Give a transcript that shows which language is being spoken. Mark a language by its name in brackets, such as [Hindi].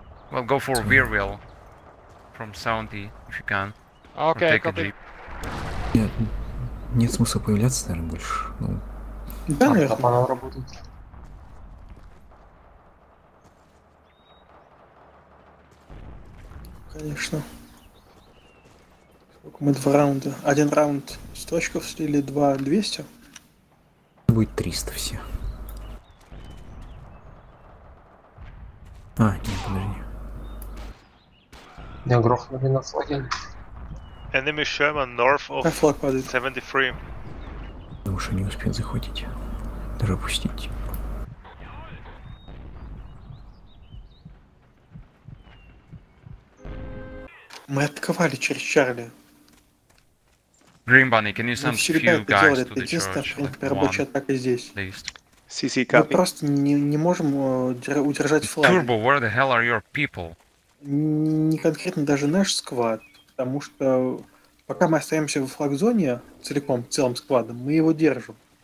[English] Well, go for rear wheel from 70 if you can. Okay, copy. [Russian] Нет, нет смысла появляться, наверное, больше. Ну. Да, наверное, она работает. Конечно. Мы два раунда. Один раунд 100 очков слили, два 200. Будет 300 все. А, нет, подожди. Меня грохнули на флагеле. [English] Enemy Sherman north of 73. [Russian] Да уж они успеют захватить. Даже пустить. Мы атаковали через Чарли. [English] Green Bunny, can you send few guys to the charge? [Russian] Это единственная, like, рабочая атака здесь. [English] CC, copy. [Russian] Мы просто не можем удержать флаг. [English] Turbo, where the hell are your people? [Russian] Не конкретно даже наш сквад, потому что пока мы остаемся в флаг-зоне целиком, целым сквадом, мы его держим.